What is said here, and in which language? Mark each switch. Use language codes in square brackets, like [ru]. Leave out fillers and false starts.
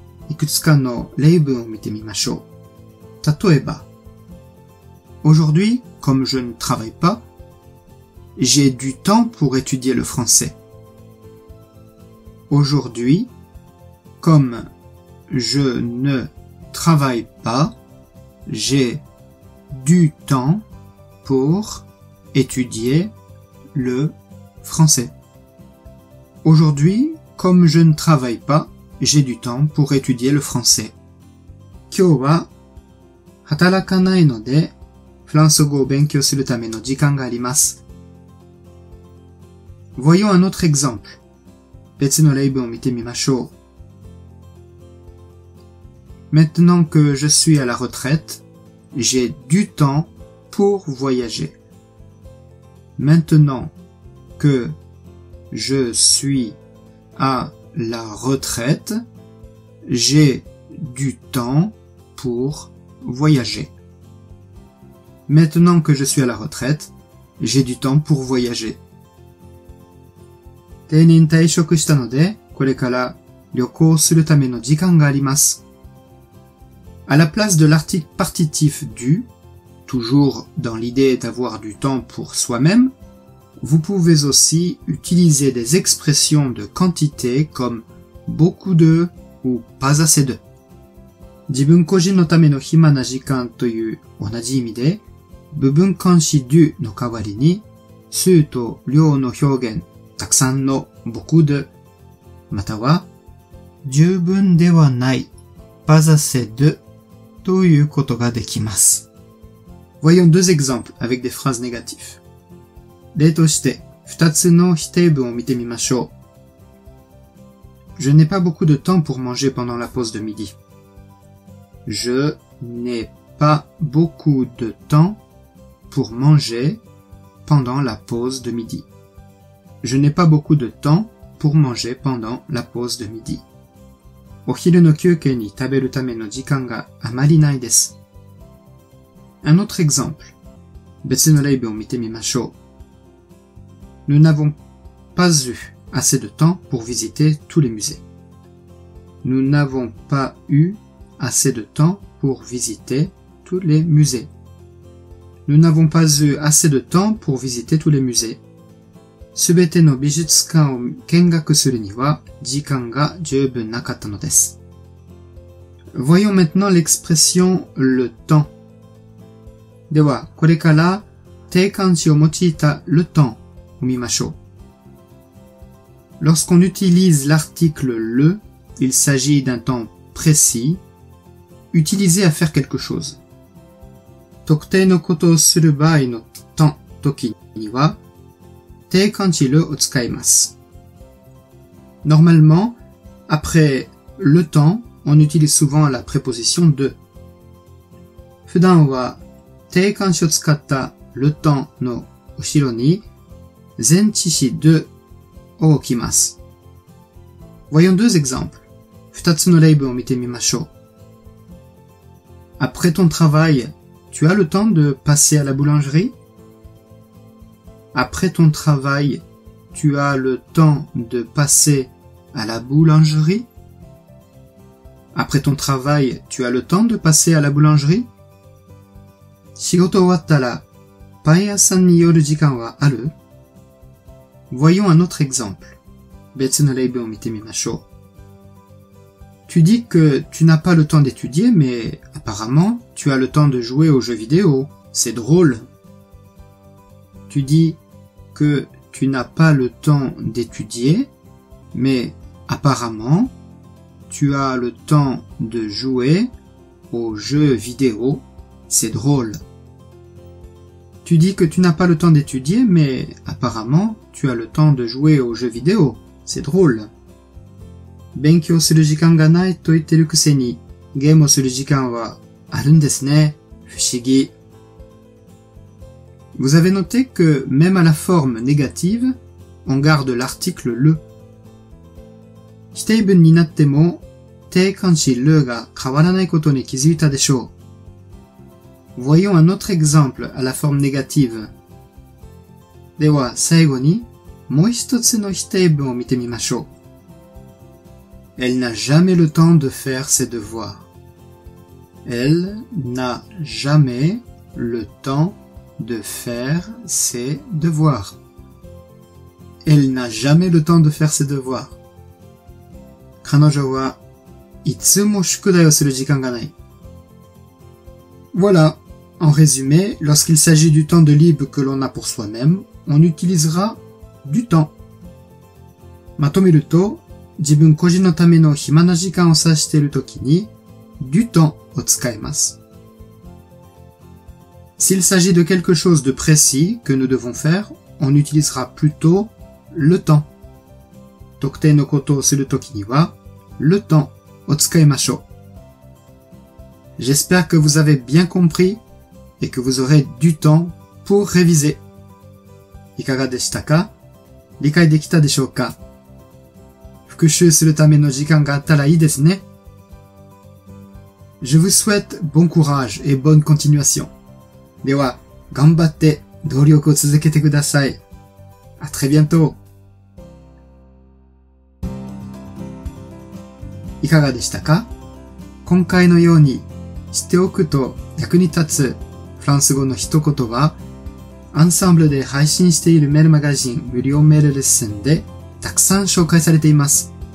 [ja] いくつかの例文を見てみましょう。例えば、 [fr] Aujourd'hui, comme je ne travaille pas, j'ai du temps pour étudier le français. Aujourd'hui, comme je ne travaille pas, j'ai du temps pour étudier le français. Aujourd'hui, comme je ne travaille pas, j'ai du temps pour étudier le français. [ja] 今日は働かないのでフランス語を勉強するための時間があります。 [fr] Voyons un autre exemple. [ja] 別の例文を見てみましょう。 [fr] Maintenant que je suis à la retraite, j'ai du temps pour voyager. Maintenant que je suis à la retraite, j'ai du temps pour voyager. Maintenant que je suis à la retraite, j'ai du temps pour voyager. [ja] 定年退職したので、これから旅行するための時間があります。 [fr] À la place de l'article partitif du, toujours dans l'idée d'avoir du temps pour soi-même, vous pouvez aussi utiliser des expressions de quantité comme beaucoup de ou pas assez de. [ja] 自分個人のための暇な時間という同じ意味で、部分監視 du の代わりに、数と量の表現、たくさんの [fr] beaucoup de、 [ja] または、十分ではない、 [fr] pas assez de、 [ja] ということができます。 [fr] Voyons deux exemples avec des phrases négatives. [ja] 例として、二つの否定文を見てみましょう。 [fr] Je n'ai pas beaucoup de temps pour manger pendant la pause de midi. Je n'ai pas beaucoup de temps pour manger pendant la pause de midi. Je n'ai pas beaucoup de temps pour manger pendant la pause de midi. [ja] お昼の休憩に食べるための時間があまりないです。 [fr] Un autre exemple. [ja] 別の例文を見てみましょう。 [fr] Nous n'avons pas eu assez de temps pour visiter tous les musées. Nous n'avons pas eu assez de temps pour visiter tous les musées. Nous n'avons pas eu assez de temps pour visiter tous les musées. [ja] すべての美術館を見学するには時間が十分なかったのです。 [fr] Voyons maintenant l'expression le temps. [ja] では、これから定冠詞を用いた [fr] le temps [ja] を見ましょう。 [fr] Lorsqu'on utilise l'article le, il s'agit d'un temps précis, utilisé à faire quelque chose. [ja] 特定のことをする場合の temps時には、定冠詞le を使います。 [fr] Normalement, après le temps, on utilise souvent la préposition de. [ja] 普段は定冠詞を使った [fr] le temps [ja] の後ろに前置詞de を置きます。 [fr] Voyons deux exemples. [ja] 二つの例文を見てみましょう。 [fr] Après ton travail, tu as le temps de passer à la boulangerie? Après ton travail, tu as le temps de passer à la boulangerie? Après ton travail, tu as le temps de passer à la boulangerie? [ja] 仕事終わったら、パン屋さんに寄る時間はある? [fr] Voyons un autre exemple. [ja] 別の例文を見てみましょう。 [fr] Tu dis que tu n'as pas le temps d'étudier, mais apparemment, tu as le temps de jouer aux jeux vidéo. C'est drôle! Tu dis que tu n'as pas le temps d'étudier, mais apparemment, tu as le temps de jouer aux jeux vidéo. C'est drôle. Tu dis que tu n'as pas le temps d'étudier, mais apparemment, tu as le temps de jouer aux jeux vidéo. C'est drôle. [ja] 勉強する時間がないと言ってるくせに、ゲームをする時間はあるんですね。不思議。 [fr] Vous avez noté que même à la forme négative, on garde l'article le. [ja] 否定文になっても、定冠詞 le が変わらないことに気づいたでしょう。 [fr] Voyons un autre exemple à la forme négative. [ja] では、最後に、もう一つの否定文を見てみましょう。 [fr] Elle n'a jamais le temps de faire ses devoirs. Elle n'a jamais le temps de faire ses devoirs. Elle n'a jamais le temps de faire ses devoirs. [ja] 彼女はいつも宿題をする時間がない。 [fr] Voilà. En résumé, lorsqu'il s'agit du temps de libre que l'on a pour soi-même, on utilisera du temps. [ja] まとめると、自分個人のための暇な時間を指しているときに、 [fr] du temps [ja] を使います。 [fr] S'il s'agit de quelque chose de précis que nous devons faire, on utilisera plutôt le temps. [ja] 特定のことをするときには、 [fr] le temps [ja] を使いましょう。 [fr] J'espère que vous avez bien compris et que vous aurez du temps pour réviser. [ja] いかがでしたか? 理解できたでしょうか?復習するための時間があったらいいですね。 [fr] Je vous souhaite bon courage et bonne continuation. [ja] では、頑張って努力を続けてください。 [fr] À très bientôt! [ja] いかがでしたか? 今回のように知っておくと役に立つフランス語の一言は、アンサンブルで配信しているメールマガジン無料メールレッスンでたくさん紹介されています。